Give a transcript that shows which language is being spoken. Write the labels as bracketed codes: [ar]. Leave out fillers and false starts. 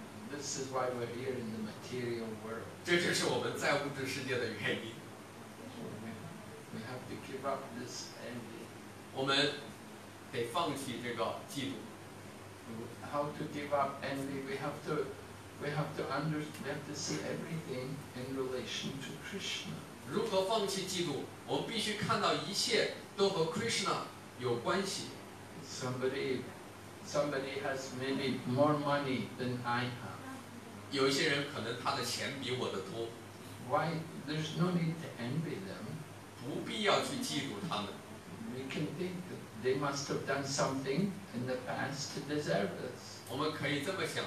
[en] This is why we're here in the material world. [zh] 这就是我们在物质世界的原因。 [en] We have to give up this envy. [zh] 我们得放弃这个嫉妒。 [en] How to give up envy? We have to see everything in relation to Krishna. [zh] 如何放弃嫉妒？我们必须看到一切都和 Krishna 有关系。 [en] Somebody has maybe more money than I have. [zh] 有一些人可能他的钱比我的多。 [en] Why? There's no need to envy them. [zh] 不必要去嫉妒他们。 [en] We can think that they must have done something in the past to deserve this.